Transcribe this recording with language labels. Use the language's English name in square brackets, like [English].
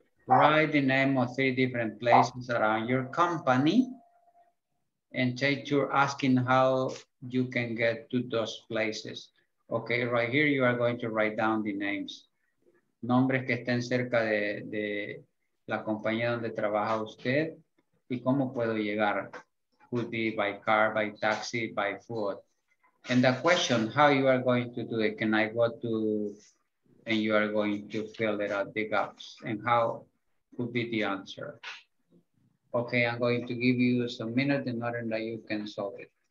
[English] Write the name of 3 different places around your company and take turns asking how you can get to those places. Okay, right here you are going to write down the names. [Spanish] Nombres que estén cerca de la compañía donde trabaja usted y cómo puedo llegar. [English] Could be by car, by taxi, by foot. And the question, how you are going to do it, can I go to, and you are going to fill it out, the gaps, and how would be the answer. Okay, I'm going to give you some minutes in order that you can solve it.